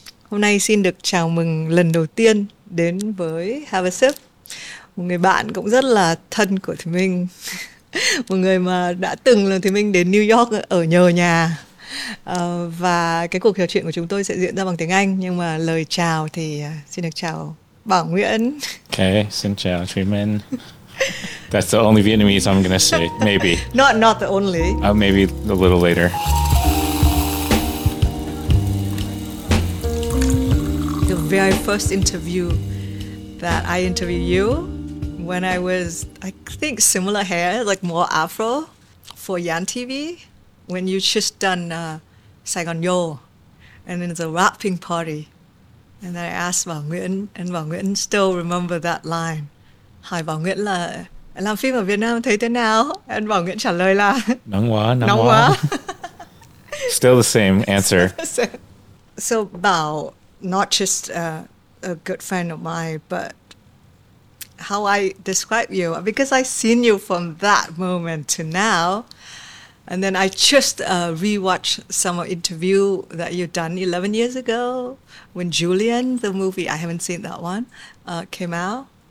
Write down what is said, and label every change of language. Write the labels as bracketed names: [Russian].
[Vietnamese] Hôm nay xin được chào mừng lần đầu tiên đến với Have a Sip một người bạn cũng rất là thân của Thùy Minh, một người mà đã từng là Thùy Minh đến New York ở nhờ nhà. Và cái cuộc trò chuyện của chúng tôi sẽ diễn ra bằng tiếng Anh, nhưng mà lời chào thì xin được chào Bảo Nguyễn. Ok, xin chào Thùy Minh. [English] That's the only Vietnamese I'm gonna say, maybe. Not the only. Maybe a little later. The very first interview that I interviewed you when I was, I think, similar hair, like more Afro, for Yan TV, when you just done Saigon Yo, and then the rapping party, and then I asked Bảo Nguyễn, and Bảo Nguyễn still remember that line. [Vietnamese] Hỏi Bảo Nguyễn là làm phim ở Việt Nam thấy thế nào? [English] And [Vietnamese] Bảo Nguyễn trả lời là Nóng quá. [English] Still the same answer. So Bảo, not just a good friend of mine, but how I describe you, because I've seen you from that moment to now, and then I just rewatched some interview that you done 11 years ago when Julian, the movie, I haven't seen that one, came out.